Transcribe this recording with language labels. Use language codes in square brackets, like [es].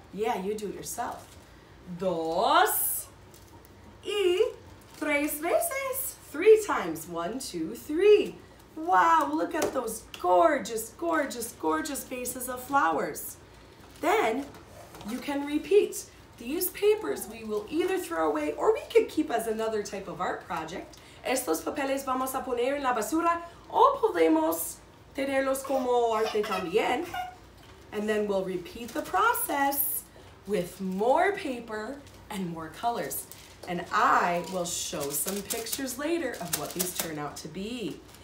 [en] Yeah, you do it yourself. Dos y tres veces. Three times. One, two, three. Wow, look at those gorgeous, gorgeous, gorgeous faces of flowers. Then you can repeat. These papers we will either throw away or we could keep as another type of art project. [es] Estos papeles vamos a poner en la basura o podemos tenerlos como arte también. [en] And then we'll repeat the process with more paper and more colors. And I will show some pictures later of what these turn out to be.